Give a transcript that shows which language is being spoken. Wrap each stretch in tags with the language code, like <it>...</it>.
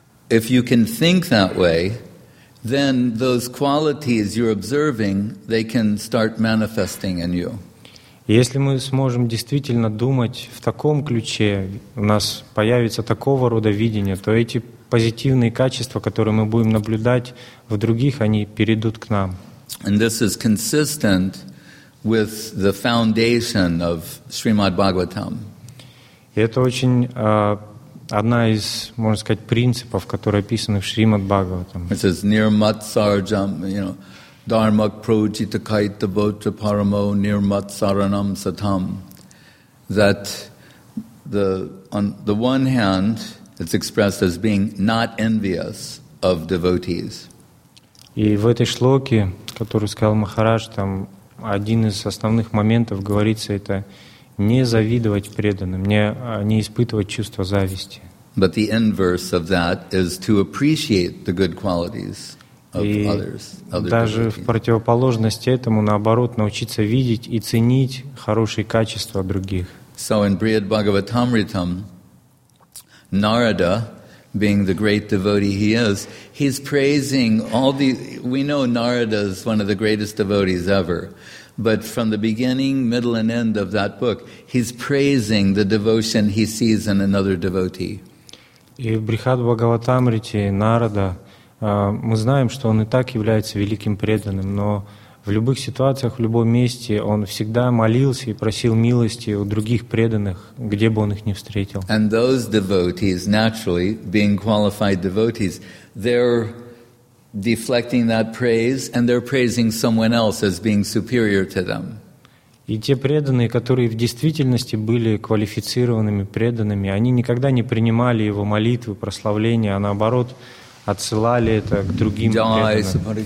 <en>If you can think that way, then those qualities you're observing, they can start manifesting in you.</en> <ru>Если мы сможем действительно думать в таком ключе, у нас появится такого рода видение, то эти позитивные качества, которые мы будем наблюдать в других, они перейдут к нам.</ru> <en>And this is consistent with the foundation of Srimad Bhagavatam.</en> <ru>И это очень одна из, можно сказать, принципов, которые описаны в Шримад Бхагаватам.</ru> <en>It says</en> <sa>nirmatsarjam, dharma prajita kaita bhuta paramo nirmatsaranam satam.</sa> <en>That on the one hand, it's expressed as being not envious of devotees.</en> <ru>И в этой шлоке, которую сказал Махарадж, там один из основных моментов говорится, это не завидовать преданным, не испытывать чувство зависти.</ru> <en>But the inverse of that is to appreciate the good qualities of others.</en> <ru>Даже в противоположность этому, наоборот, научиться видеть и ценить хорошие качества других.</ru> <en>So in Brihad Bhagavatamritam, Narada, being the great devotee he is, he's praising all the... We know Narada is one of the greatest devotees ever, but from the beginning, middle, and end of that book, he's praising the devotion he sees in another devotee.</en> <ru>И в Брихад-Бхагаватамрите Нарада мы знаем, что он и так является великим преданным, но в любых ситуациях, в любом месте он всегда молился и просил милости у других преданных, где бы он их ни встретил.</ru> <en>And those devotees, naturally, being qualified devotees, they're deflecting that praise and they're praising someone else as being superior to them.</en> <ru>И те преданные, которые в действительности были квалифицированными преданными, они никогда не принимали его молитвы, прославления, а наоборот отсылали это к другим преданным.</ru>